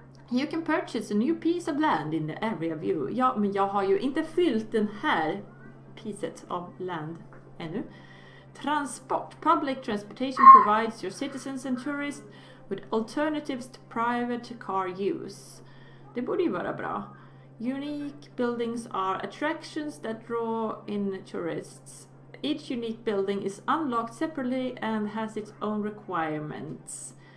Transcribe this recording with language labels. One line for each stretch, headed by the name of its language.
English: You can purchase a new piece of land in the area view.
Swedish: Ja, men jag har ju inte fyllt den här pieceet av land. Ännu. Transport.
English: Public transportation provides your citizens and tourists with alternatives to private car use.
Swedish: Det borde ju vara bra.
English: Unique buildings are attractions that draw in tourists. Each unique building is unlocked separately and has its own requirements.